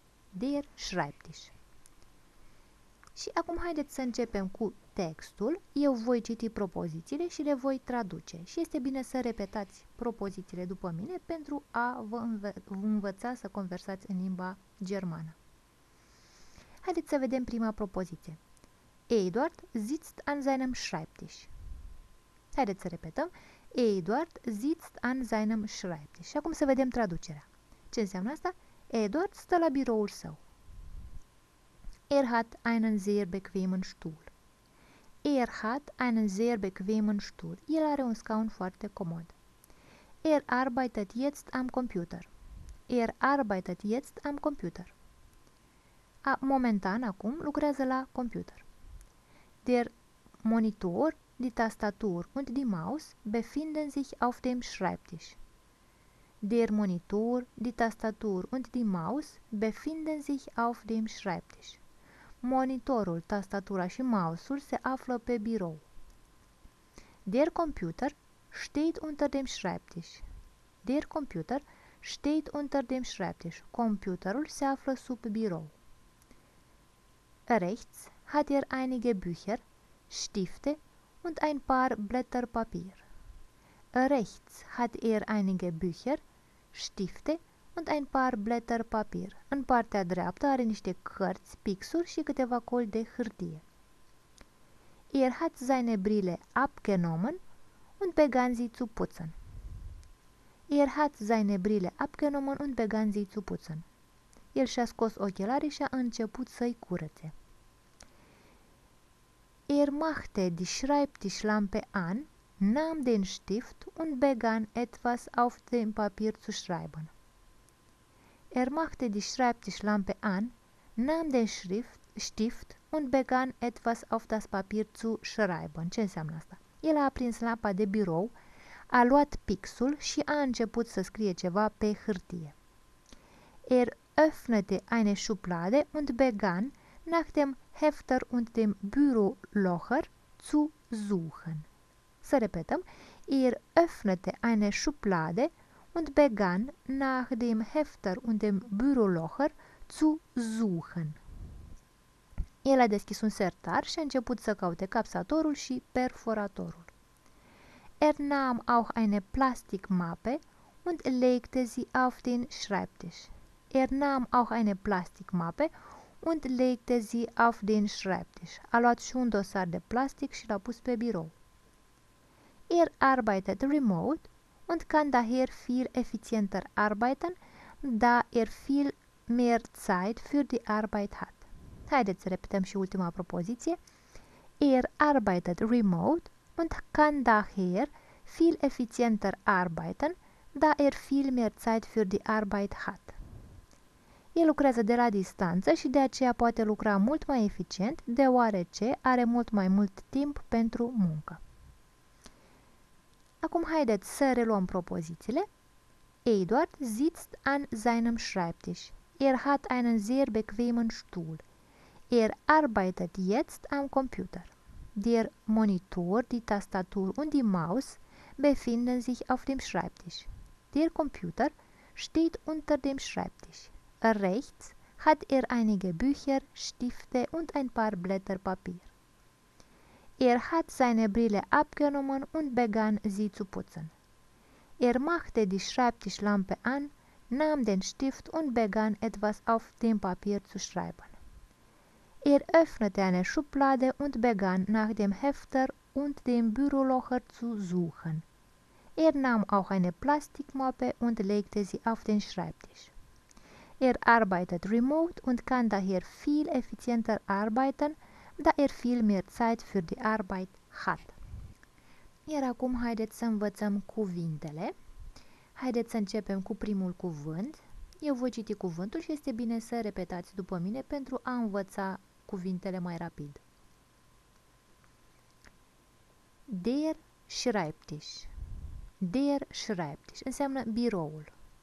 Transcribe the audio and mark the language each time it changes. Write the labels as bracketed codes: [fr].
[ro] Der Schreibtisch. Și acum haideți să începem cu textul. Eu voi citi propozițiile și le voi traduce. Și este bine să repetați propozițiile după mine pentru a vă învăța să conversați în limba germană. Haideți să vedem prima propoziție. [de] Eduard sitzt an seinem Schreibtisch. [ro] Haideți să repetăm. [de] Eduard sitzt an seinem Schreibtisch. [ro] Și acum să vedem traducerea. Ce înseamnă asta? Eduard stă la biroul său. [de] Hat einen sehr bequemen Stuhl. Hat einen sehr bequemen Stuhl. [ro] El are un scaun foarte comod. [de] Arbeitet jetzt am Computer. Arbeitet jetzt am Computer. [ro] Momentan, acum, lucrează la computer. [de] Der Monitor, die Tastatur und die Maus befinden sich auf dem Schreibtisch. Der Monitor, die Tastatur und die Maus befinden sich auf dem Schreibtisch. [ro] Monitorul, tastatura și mouse-ul se află pe birou. [de] Der Computer steht unter dem Schreibtisch. Der Computer steht unter dem Schreibtisch. [ro] Computerul se află sub birou. [de] Rechts hat er einige Bücher, Stifte und ein paar Blätter Papier. Rechts hat er einige Bücher, Stifte und ein paar Blätter Papier. [ro] În partea dreaptă are niște cărți, pixuri și câteva col de hârtie. [de] Er hat seine Brille abgenommen und begann sie zu putzen. Er hat seine Brille abgenommen und begann sie zu putzen. [ro] El și-a scos ochelarii și a început să-i curățe. [de] Machte die Schreibtischlampe an, nahm den Stift und begann etwas auf dem Papier zu schreiben. Machte die Schreibtischlampe an, nahm den Stift und begann etwas auf das Papier zu schreiben. [ro] Ce înseamnă asta? El a aprins lampa de birou, a luat pixul și a început să scrie ceva pe hârtie. [de] Öffnete eine Schublade und begann nach dem Hefter und dem Bürolocher zu suchen. [ro] Să repetăm, [de] öffnete eine Schublade und begann nach dem Hefter und dem Bürolocher zu suchen. [ro] El a deschis un sertar și a început să caute capsatorul și perforatorul. [de] Nahm auch eine Plastikmappe und legte sie auf den Schreibtisch. Nahm auch eine Plastikmappe und legte sie auf den Schreibtisch. [ro] A luat și un dosar de plastic și l-a pus pe birou. [de] Arbeitet remote und kann daher viel effizienter arbeiten, da viel mehr Zeit für die Arbeit hat. [ro] Haideți să repetăm și ultima propoziție. [de] Arbeitet remote und kann daher viel effizienter arbeiten, da viel mehr Zeit für die Arbeit hat. [ro] El lucrează de la distanță și de aceea poate lucra mult mai eficient, deoarece are mult mai mult timp pentru muncă. Acum haideți să reluăm propozițiile. [de] Eduard sitzt an seinem Schreibtisch. Hat einen sehr bequemen Stuhl. Arbeitet jetzt am Computer. Der Monitor, die Tastatur und die Maus befinden sich auf dem Schreibtisch. Der Computer steht unter dem Schreibtisch. Rechts hat einige Bücher, Stifte und ein paar Blätter Papier. Hat seine Brille abgenommen und begann sie zu putzen. Machte die Schreibtischlampe an, nahm den Stift und begann etwas auf dem Papier zu schreiben. Öffnete eine Schublade und begann nach dem Hefter und dem Bürolocher zu suchen. Nahm auch eine Plastikmappe und legte sie auf den Schreibtisch. Arbeitet remote und kann daher viel effizienter arbeiten, da viel mehr Zeit für die Arbeit hat. [ro] Iar acum haideți să învățăm cuvintele. Haideți să începem cu primul cuvânt. Eu voi citi cuvântul și este bine să repetați după mine pentru a învăța cuvintele mai rapid. [de] Der Schreibtisch. Der Schreibtisch [ro] înseamnă biroul.